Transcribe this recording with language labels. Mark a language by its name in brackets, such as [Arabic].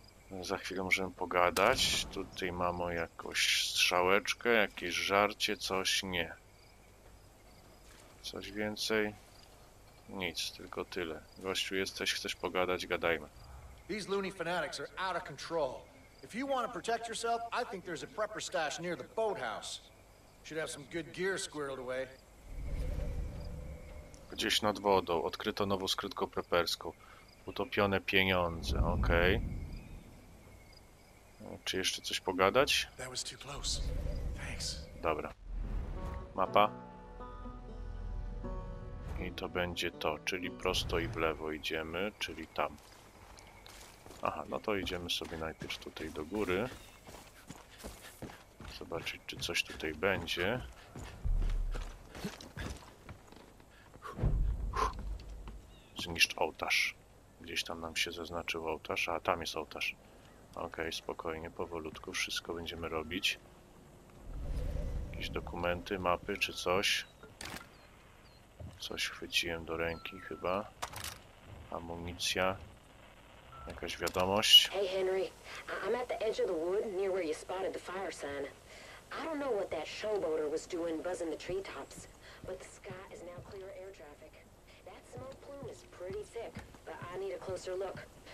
[Polish] No, za chwilę możemy pogadać. Tutaj mamy jakąś strzałeczkę, jakieś żarcie, coś nie. Coś więcej? Nic, tylko tyle. Gościu, jesteś, chcesz pogadać, gadajmy. [English] These loony fanatics are out of control. If you want to protect yourself, I think there's a prepper stash near the boathouse. Should have some good gear squirreled away. [Polish] Gdzieś nad wodą odkryto nową skrytkę prepperską. Utopione pieniądze, okej. [English] Okay. [Polish] Czy jeszcze coś pogadać? [English] That was too close. Thanks. [Polish] Dobra. Mapa. I to będzie to, czyli prosto i w lewo idziemy, czyli tam. Aha, no to idziemy sobie najpierw tutaj do góry. Zobaczyć, czy coś tutaj będzie. Zniszcz ołtarz. Gdzieś tam nam się zaznaczył ołtarz. A, tam jest ołtarz. Okej, spokojnie, powolutku. Wszystko będziemy robić. Jakieś dokumenty, mapy, czy coś. Coś chwyciłem do ręki chyba. Amunicja. Jakaś wiadomość. [English] Hey Henry, I'm at the edge of the wood near where you spotted the fire sign. I don't know what that showboater was doing buzzing the treetops, but the sky is now clear air traffic. That smoke plume is pretty thick, but I need a closer look.